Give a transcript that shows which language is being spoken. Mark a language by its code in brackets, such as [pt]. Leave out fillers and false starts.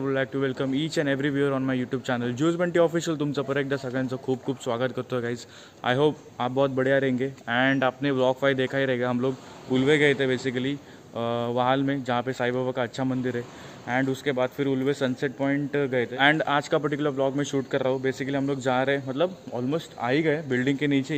[en] Would like to welcome each and every viewer on my YouTube channel, Juice Bunty Official. [mr] तुमचा पर एकदा सगळ्यांचं खूप खूप स्वागत करतो गाइज। [en] I hope [hi] आप बहुत बढ़िया रहेंगे एंड आपने ब्लॉग वाइज देखा ही रहेगा, हम लोग उलवे गए थे बेसिकली वाहल में, जहाँ पे साई बाबा का अच्छा मंदिर है, एंड उसके बाद फिर उलवे सनसेट पॉइंट गए थे। एंड आज का पर्टिकुलर ब्लॉग मैं शूट कर रहा हूँ, बेसिकली हम लोग जा रहे हैं, मतलब ऑलमोस्ट आ ही गए बिल्डिंग के नीचे।